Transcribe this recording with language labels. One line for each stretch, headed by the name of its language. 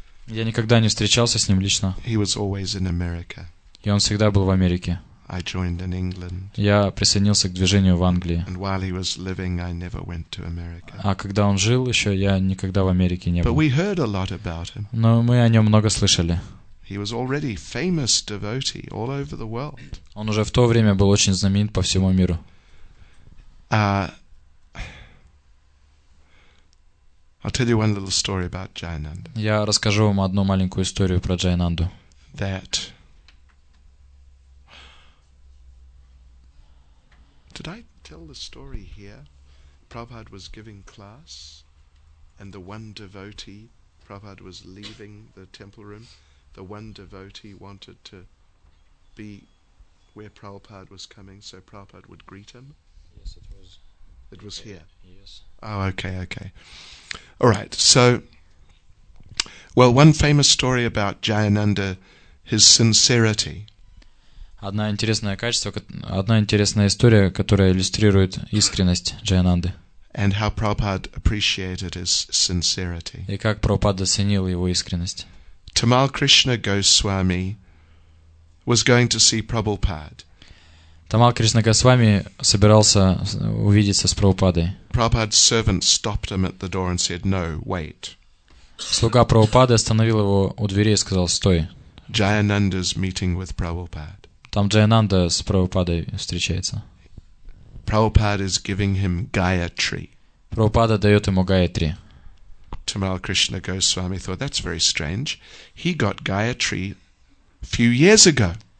Russian: Я никогда не встречался с ним лично.
English: He was always in America.
Russian: И он всегда был в Америке.
English: I joined in England.
Russian: Я присоединился к движению в Англии.
English: And while he was living, I never went to America.
Russian: А когда он жил еще, я никогда в Америке не был.
English: But we heard a lot about him.
Russian: Но мы о нем много слышали.
English: He was already famous devotee all over the world.
Russian: Он уже в то время был очень знаменит по всему миру.
English: I'll tell you one little story about Jayananda.
Russian: Я расскажу вам одну маленькую историю про Джаянанду.
English: That. Did I tell the story here? Prabhupada was giving class, and the one devotee, Prabhupada was leaving the temple room. The one devotee wanted to be where Prabhupada was coming, so Prabhupada would greet him. Yes, it was. It was here. Yes. Oh, okay. All right, so, well, one famous story about Jayananda, his sincerity.
Russian: Одна интересная история, которая иллюстрирует искренность Джаянанды.
English: And how Prabhupada appreciated his sincerity.
Russian: И как Прабхупада ценил его искренность.
English: Tamal Krishna Goswami was going to see Prabhupada.
Russian: Тамал Кришна Госвами собирался увидеться с Прабхупадой.
English: Prabhupada's servant stopped him at the door and said, "No, wait."
Russian: Слуга Прабхупады остановил его у двери и сказал: "Стой."
English: Jayananda's meeting with Prabhupada.
Russian: Там Джаянанда с Прабхупадой встречается.
English: Prabhupada is giving him Gayatri.
Russian: Прабхупада дает ему Гаятри.
English: Tamal Krishna Goswami thought that's very strange. He got Gayatri few years ago.